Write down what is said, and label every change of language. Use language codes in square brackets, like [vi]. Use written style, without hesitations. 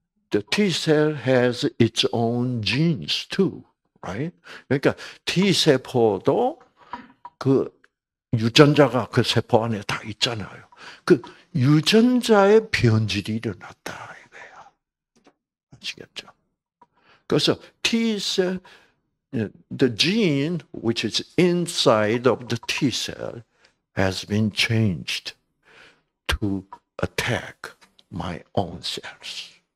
[en] The T-cell has its own genes too, right? [ko] 그러니까 T세포도 그 유전자가 그 세포 안에 다 있잖아요. 그 유전자의 변질이 일어났다 이거야. 아시겠죠? [en] 그래서 T-cell, the gene which is inside of the T-cell has been changed to attack my own cells.